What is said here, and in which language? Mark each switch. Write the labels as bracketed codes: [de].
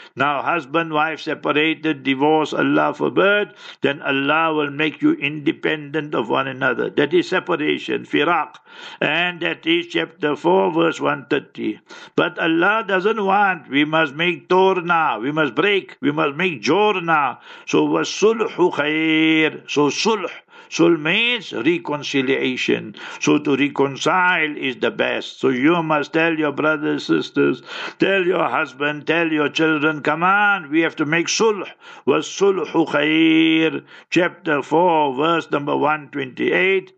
[en] Now husband, wife separated, divorce, Allah forbid, then Allah will make you independent of one another. That is separation, firaq. And that is chapter 4, verse 130. But Allah doesn't want, we must make torna, we must break, we must make jorna. So [ar] وَالسُّلْحُ خَيْرٌ. [en] So sulh. Sulh means reconciliation. So to reconcile is the best. So you must tell your brothers, sisters, tell your husband, tell your children, come on, we have to make sulh. Wasulhu khair. Chapter 4, verse number 128.